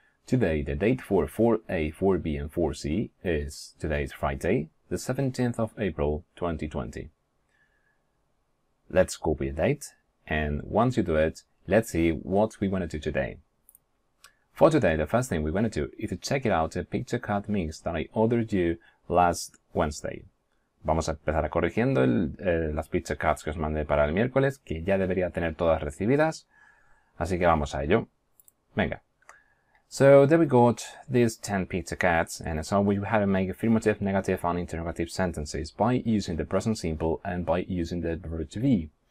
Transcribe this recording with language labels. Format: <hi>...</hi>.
<en>Today the date for 4A, 4B and 4C is today's Friday, the 17th of April 2020. Let's copy the date, and once you do it, let's see what we want to do today. For today, the first thing we want to do is to check it out a picture card mix that I ordered you last Wednesday.</en> <es>Vamos a empezar corrigiendo las picture cards que os mandé para el miércoles, que ya debería tener todas recibidas. Así que vamos a ello. Venga.</es> <en>So there we got these 10 picture cards, and so we had to make affirmative, negative, and interrogative sentences by using the present simple and by using the verb to be.</en>